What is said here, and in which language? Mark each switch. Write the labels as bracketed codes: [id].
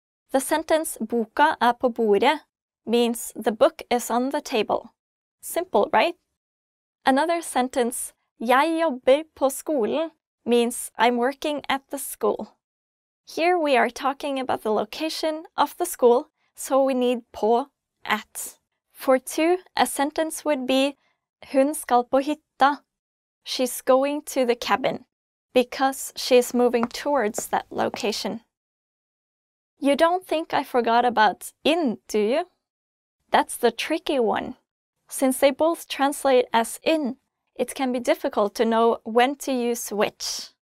[en] The sentence [no] boka på bordet [en] means the book is on the table. Simple, right? Another sentence [no] jeg jobber på skolen [en] means I'm working at the school. Here we are talking about the location of the school, so we need på, at. For two, a sentence would be [no] hun skal på hytta. [en] She's going to the cabin because she is moving towards that location. You don't think I forgot about in, do you? That's the tricky one. Since they both translate as in, it can be difficult to know when to use which.